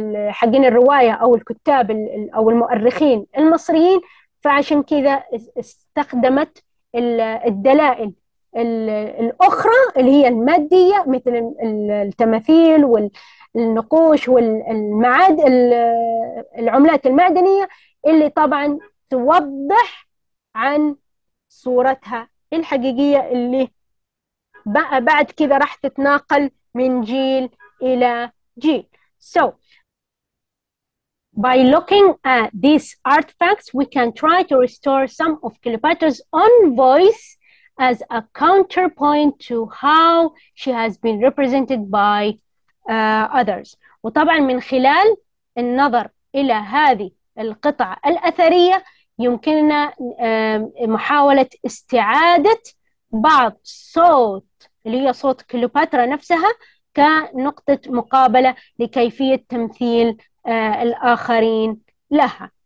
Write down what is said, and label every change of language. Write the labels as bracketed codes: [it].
[ar] حقين الروايه او الكتاب او المؤرخين المصريين، فعشان كذا استخدمت الدلائل الاخرى اللي هي الماديه مثل التماثيل والنقوش والمعاد العملات المعدنيه اللي طبعا توضح عن صورتها الحقيقيه اللي بقى بعد كذا راح تتناقل من جيل إلى جيل. [en] So, by looking at these artifacts, we can try to restore some of Cleopatra's own voice as a counterpoint to how she has been represented by others. [ar] وطبعا من خلال النظر إلى هذه القطع الأثرية يمكننا محاولة استعادة بعض صوت اللي هي صوت كليوباترا نفسها كنقطة مقابلة لكيفية تمثيل الآخرين لها.